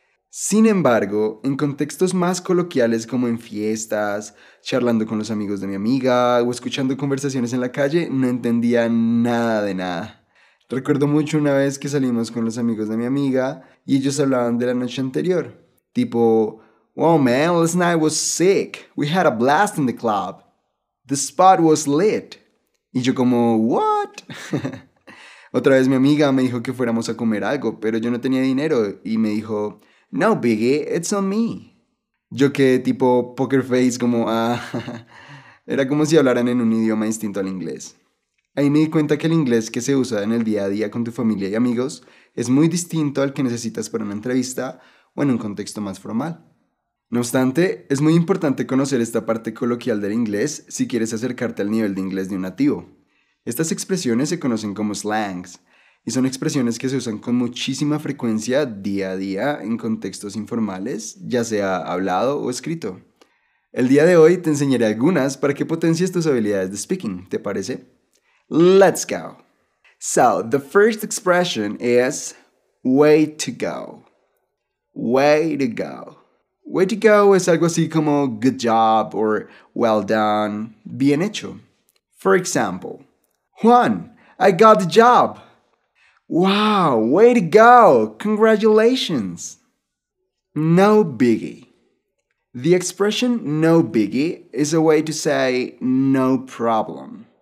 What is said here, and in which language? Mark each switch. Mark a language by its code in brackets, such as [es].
[es] Sin embargo, en contextos más coloquiales como en fiestas, charlando con los amigos de mi amiga o escuchando conversaciones en la calle, no entendía nada de nada. Recuerdo mucho una vez que salimos con los amigos de mi amiga y ellos hablaban de la noche anterior. [en] Tipo, "Wow, man, last night was sick. We had a blast in the club. The spot was lit." [es] Y yo como, [en] "What?" [es] Otra vez mi amiga me dijo que fuéramos a comer algo, pero yo no tenía dinero y me dijo, [en] "No, Biggie, it's on me." [es] Yo quedé tipo poker face como, ah, era como si hablaran en un idioma distinto al inglés. Ahí me di cuenta que el inglés que se usa en el día a día con tu familia y amigos es muy distinto al que necesitas para una entrevista o en un contexto más formal. No obstante, es muy importante conocer esta parte coloquial del inglés si quieres acercarte al nivel de inglés de un nativo. Estas expresiones se conocen como slangs, y son expresiones que se usan con muchísima frecuencia día a día en contextos informales, ya sea hablado o escrito. El día de hoy te enseñaré algunas para que potencies tus habilidades de speaking, ¿te parece? [en] Let's go! So, the first expression is way to go. Way to go. Way to go [es] es algo así como [en] good job or well done, [es] bien hecho. [en] For example, Juan, I got the job. Wow, way to go, congratulations. No biggie. The expression no biggie is a way to say no problem.